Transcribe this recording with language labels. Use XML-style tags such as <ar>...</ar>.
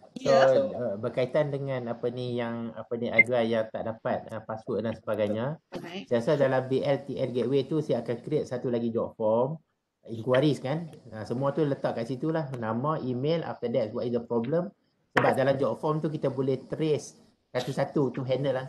<ms>So, yeah, so berkaitan dengan apa ni yang apa ni aduan yang tak dapat password dan sebagainya. Okay. Saya rasa dalam BLTN gateway tu saya akan create satu lagi job form inquiries, kan. Semua tu letak kat situ lah.</ms> <en>Nama, email, after that what is the problem.</en> <ms>Sebab dalam job form tu kita boleh trace satu-satu tu handle lah.</ms>